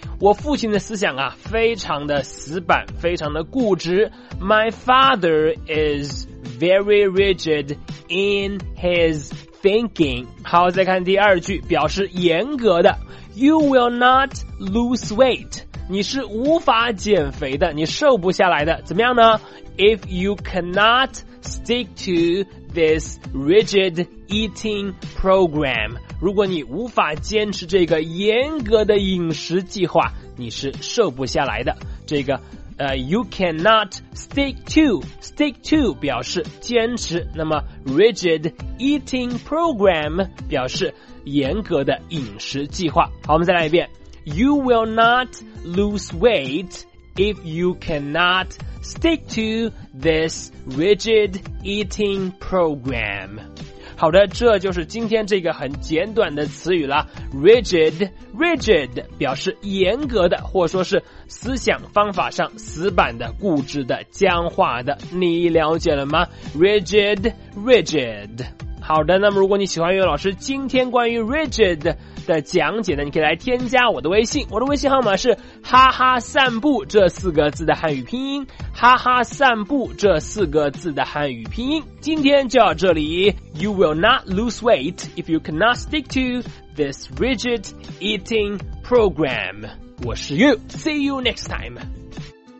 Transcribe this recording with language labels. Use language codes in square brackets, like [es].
[zh] 我父亲的思想啊，非常的死板，非常的固执。 [en] My father is very rigid in his thinking. [zh] 好，再看第二句，表示严格的。 [en] You will not lose weight. [zh] 你是无法减肥的，你瘦不下来的。怎么样呢？ [en] If you cannot stick to this rigid eating program. [zh] 如果你无法坚持这个严格的饮食计划，你是瘦不下来的。这个 [en] you cannot stick to [zh] 表示坚持，那么 [en] rigid eating program [zh] 表示严格的饮食计划。好，我们再来一遍。 [en] You will not lose weight if you cannot stick to this rigid eating program. [zh] 好的，这就是今天这个很简短的词语了。 rigid 表示严格的，或者说是思想方法上死板的、固执的、僵化的，你了解了吗？ [en] rigid。 [zh] 好的，那么如果你喜欢岳老师今天关于 rigid 的讲解呢，你可以来添加我的微信，我的微信号码是哈哈散步这四个字的汉语拼音，哈哈散步这四个字的汉语拼音。今天就到这里， [en] You will not lose weight if you cannot stick to this rigid eating program. [zh] 我是 [en] You, see you next time.